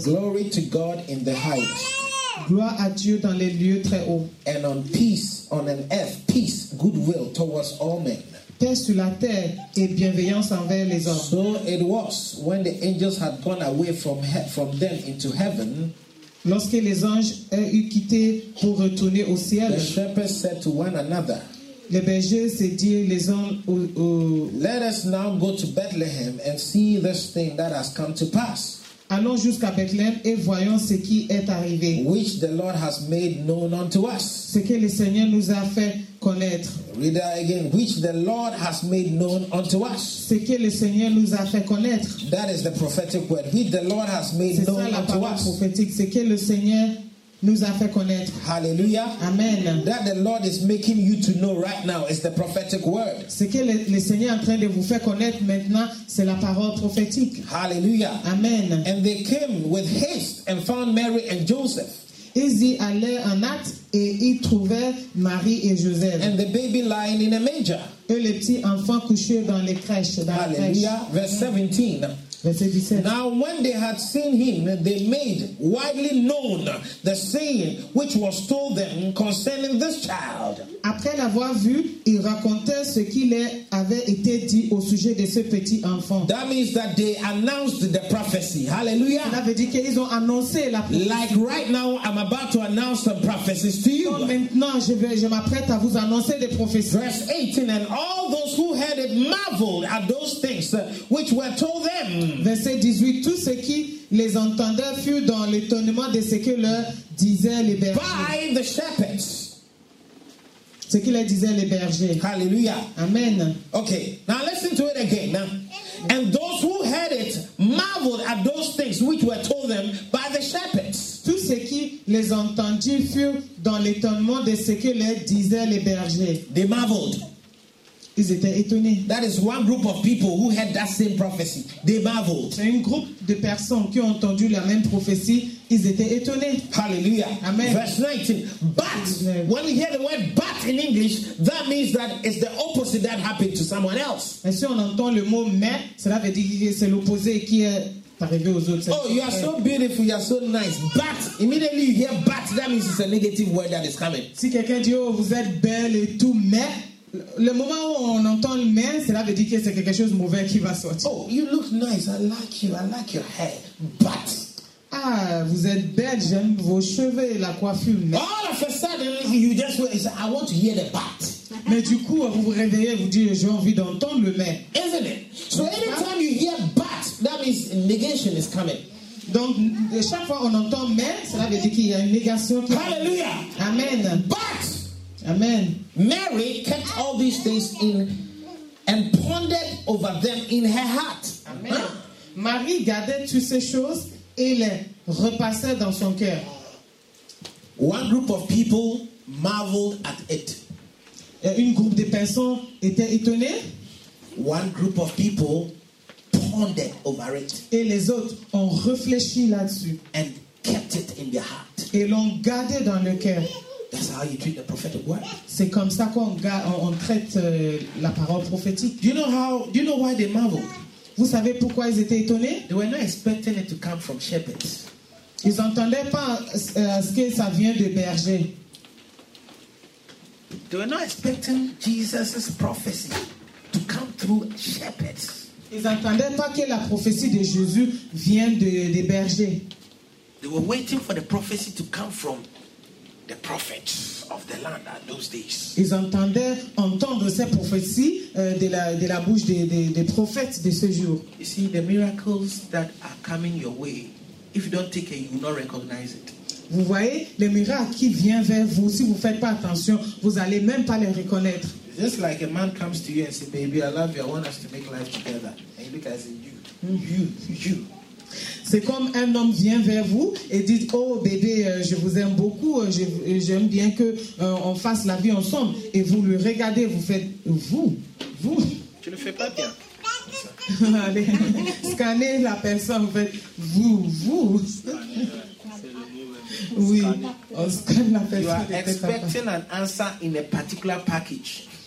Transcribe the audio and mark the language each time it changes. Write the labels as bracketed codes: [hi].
[en] Glory to God in the highest. [fr] Gloire à Dieu dans les lieux très hauts. [en] And on peace, on an earth, peace, goodwill towards all men. [fr] Paix sur la terre et bienveillance envers les hommes. [en] So it was when the angels had gone away from them into heaven. [fr] Lorsque les anges eurent quitté pour retourner au ciel. [en] The shepherds said to one another. [fr] Les bergers se dirent les uns aux autres. [en] Let us now go to Bethlehem and see this thing that has come to pass. [fr] Allons jusqu'à Bethléem et voyons ce qui est arrivé. [en] Which the Lord has made known unto us. [fr] Ce que le Seigneur nous a fait connaître. [en] Read that again. Which the Lord has made known unto us. [fr] Ce que le Seigneur nous a fait connaître. [en] That is the prophetic word. Which the Lord has made known unto us. [fr] C'est ça la parole prophétique. Ce que le Seigneur nous a fait connaître. Hallelujah. Amen. [en] That the Lord is making you to know right now is the prophetic word. [fr] Ce que le Seigneur est en train de vous faire connaître maintenant, c'est la parole prophétique. Hallelujah. Amen. [en] And they came with haste and found Mary and Joseph. [fr] Ils y allaient en hâte et y trouvèrent Marie et Joseph. [en] And the baby lying in a manger. [fr] et les petits enfants couchés dans les crèches. [en] Verse 17. Now when they had seen him, they made widely known the saying which was told them concerning this child. [fr] Après l'avoir vu, ils racontaient ce qui leur avait été dit au sujet de ce petit enfant. [en] That means that they announced the prophecy. Hallelujah. [fr] Ça veut dire qu'ils ont annoncé la prophétie. [en] Like right now, I'm about to announce some prophecies to you. [fr] Comme maintenant, je m'apprête à vous annoncer des prophéties. [en] Verse 18, and all those who heard it marveled at those things which were told them. [fr] Verset 18, tous ceux qui les entendaient furent dans l'étonnement de ce que leur disaient les bergers. [en] By the shepherds. [fr] Ce qu'il disait les bergers. Hallelujah. Amen. [en] Okay. Now listen to it again. And those who heard it marveled at those things which were told them by the shepherds. [fr] Tous ceux qui les entendirent furent dans l'étonnement de ce que leur disaient les bergers. [en] They marveled. [fr] Ils étaient étonnés. [en] That is one group of people who had that same prophecy. They marveled. [fr] C'est un groupe de personnes qui ont entendu la même prophétie. Ils étaient étonnés. Hallelujah. Amen. [en] Verse 19. But when we hear the word "but" in English, that means that it's the opposite that happened to someone else. [fr] Mais si on entend le mot mais, cela veut dire que c'est l'opposé qui est arrivé aux autres. [en] Oh, you are so beautiful. You are so nice. But immediately you hear "but", that means it's a negative word that is coming. [fr] Si quelqu'un dit oh vous êtes belle et tout mais. Le moment où on entend le mais, cela veut dire que c'est quelque chose de mauvais qui va sortir. [en] Oh, you look nice. I like your hair. But. [fr] Ah, vous êtes belle, j'aime vos cheveux et la coiffure. Mais. [en] All of a sudden, you just say, like, I want to hear the but. [fr] Mais du coup, vous vous réveillez, vous dites, j'ai envie d'entendre le mais. [en] Isn't it? So anytime you hear but, that means negation is coming. [fr] Donc, chaque fois qu'on entend mais, cela veut dire qu'il y a une négation qui. Hallelujah! Amen. [en] But! Amen. Mary kept all these things in and pondered over them in her heart. Amen. [fr] Marie gardait toutes ces choses et les repassait dans son cœur. [en] One group of people marveled at it. [fr] Et une groupe de personnes était étonnée. [en] One group of people pondered over it. [fr] Et les autres ont réfléchi là-dessus. [en] And kept it in their heart. [fr] Et l'ont gardé dans le cœur. [en] That's how you treat the prophetic word. [fr] C'est comme ça qu'on traite la parole prophétique. [en] Do you know why they marveled? [fr] Vous savez pourquoi ils étaient étonnés? [en] They were not expecting it to come from shepherds. [fr] Ils n'entendaient pas ce que ça vient de bergers. [en] They were not expecting Jesus' prophecy to come through shepherds. [fr] Ils n'entendaient pas que la prophétie de Jésus vienne de bergers. [en] They were waiting for the prophecy to come from the prophets of the land at those days. [fr] Ils entendaient entendre ces prophéties de la bouche des prophètes de ce jour. [en] You see the miracles that are coming your way. If you don't take it, you will not recognize it. [fr] Vous voyez les miracles qui viennent vers vous. Si vous faites pas attention, vous allez même pas les reconnaître. [en] Just like a man comes to you and says, "Baby, I love you. I want us to make life together." And you look at him, you. [fr] C'est comme un homme vient vers vous et dit « Oh bébé, je vous aime beaucoup, j'aime bien qu'on fasse la vie ensemble. » Et vous lui regardez, vous faites « Vous. » Tu ne fais pas bien. Allez, scannez la personne, vous faites « Vous. » Oui, on scanne la personne. [en] You are expecting an answer in a particular package.